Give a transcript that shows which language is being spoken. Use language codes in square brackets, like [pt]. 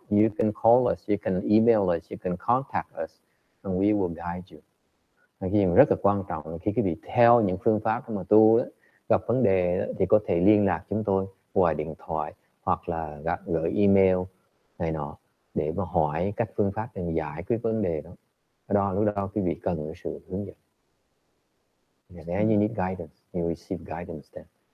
[en] You can call us, you can email us, you can contact us, and we will guide you. [vi] Cái điều rất là quan trọng là khi quý vị theo những phương pháp mà tu đó, gặp vấn đề đó, thì có thể liên lạc chúng tôi qua điện thoại hoặc là gửi email này nọ, để mà hỏi các phương pháp để giải quyết vấn đề đó. Đó lúc đó quý vị cần sự hướng dẫn. [en] And then you need guidance, you receive guidance then.